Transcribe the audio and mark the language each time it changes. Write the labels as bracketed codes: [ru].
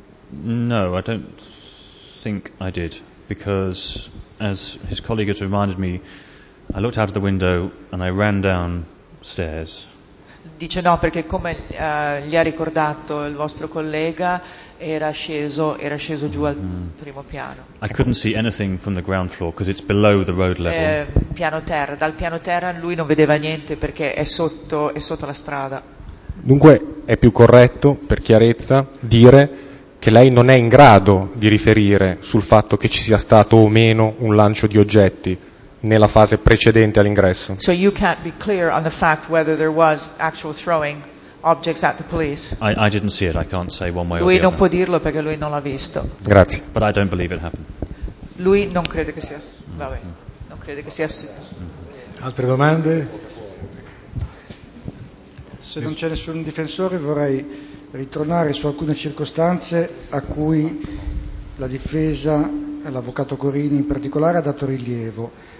[en] No, I don't think I did, because as his colleague has reminded me, I looked out of the window and I ran downstairs. [it] Dice no, perché come gli ha ricordato il vostro collega, era sceso giù al primo piano. [en] I couldn't see anything from the ground floor because it's below the road level. [it] Piano terra, dal piano terra lui non vedeva niente perché è sotto la strada. Dunque è più corretto, per chiarezza, dire che lei non è in grado di riferire sul fatto che ci sia stato o meno un lancio di oggetti nella fase precedente all'ingresso. [en] So you can't be clear on the fact whether there was actual throwing objects at the police. I didn't see it. I can't say one way [it] lui Lui non può dirlo perché lui non l'ha visto. Grazie. [en] But I don't believe it happened. [it] Lui non crede che sia. Vabbè. Non crede che sia. Mm-hmm. Altre domande? Se non c'è nessun difensore, vorrei ritornare su alcune circostanze a cui la difesa, l'avvocato Corini in particolare, ha dato rilievo.